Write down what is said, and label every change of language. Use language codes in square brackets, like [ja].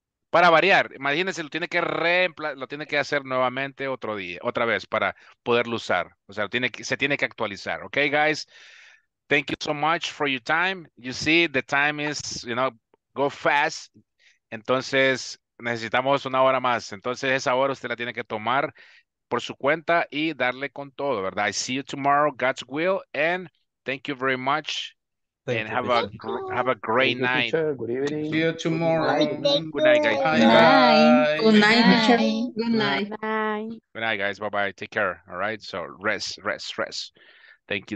[es] Para variar, imagínense, lo tiene que hacer nuevamente otro día, otra vez, para poderlo usar. O sea, se tiene que actualizar. [en] Ok, guys, thank you so much for your time. You see, the time is, you know, go fast. [es] Entonces, necesitamos una hora más. Entonces, esa hora usted la tiene que tomar por su cuenta y darle con todo, ¿verdad? [en] I see you tomorrow, God's will, and thank you very much. Have a great night. Good evening. See you tomorrow. Good night, guys. Good night. Good night, guys. Bye-bye. Take care. All right? So rest. Thank you.